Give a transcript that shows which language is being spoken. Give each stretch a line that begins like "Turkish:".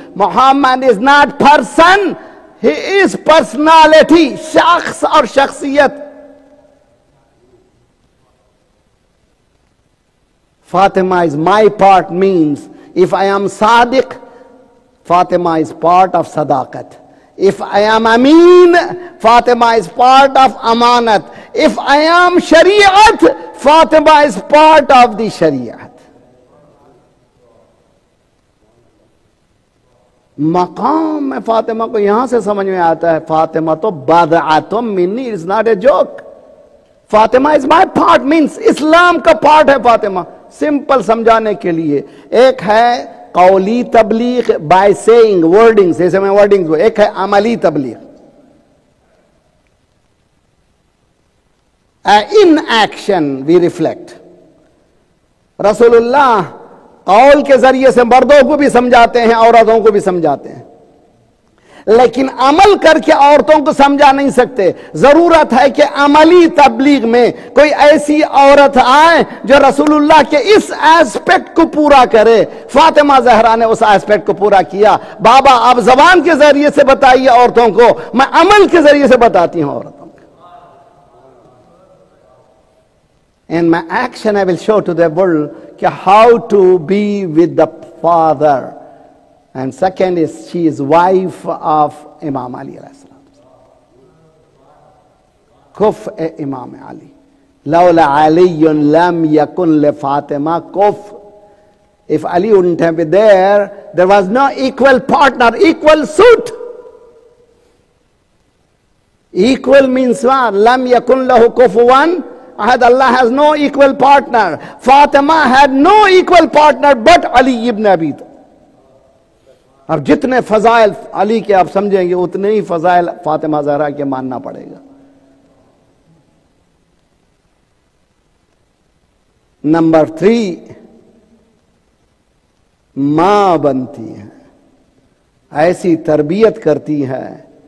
English: Muhammad is not person, he is personality,
Hindi: शख्स और शख्सियत.
English: Fatima is my part means if I am Sadiq, Fatima is part of sadaqat. If I am Amin, Fatima is part of amanat. If I am shariat, Fatima is part of the shariat.
Hindi: Maqam mein Fatima ko yahan se samajh mein aata hai. Fatima to
Arabic: bad'atum minni,
English: it's not a joke. Fatima is my part means
Hindi: Islam ka part hai Fatima. Simple samjhane ke liye. Ek hai Koli Tabligh
English: by saying wordings,
Hindi: ऐसे में wordings. वो एक है अमली तबलीग,
English: In action we reflect.
Hindi: रसूलुल्लाह कौल के जरिए से मर्दों को भी समझाते हैं, औरतों को भी समझाते हैं, लेकिन अमल करके औरतों को समझा नहीं सकते. जरूरत है कि अमली तबलीग में कोई ऐसी औरत आए जो रसूलुल्लाह के इस एस्पेक्ट को पूरा करे. फातिमा जहरा ने उस एस्पेक्ट को पूरा किया. बाबा आप जबान के जरिए से बताइए औरतों को, मैं अमल के जरिए से बताती हूं औरतों को.
English: And my action I will show to the world कि how to be with the father. And second is, she is wife of Imam Ali alayhi salam.
Arabic: Kuf'e Imam Ali. Lawla Aliyun lam yakun li Fatima kuf.
English: If Ali wouldn't have been there, there was no equal partner, equal suit. Equal means what?
Arabic: Lam yakun lahu kufuwan.
English: Allah has no equal partner. Fatima had no equal partner but Ali ibn Abi Talib.
Hindi: अब जितने फजाइल अली के आप समझेंगे उतने ही फजाइल फातिमा जहरा के मानना पड़ेगा. Number three, मां बनती है, ऐसी तरबियत करती है.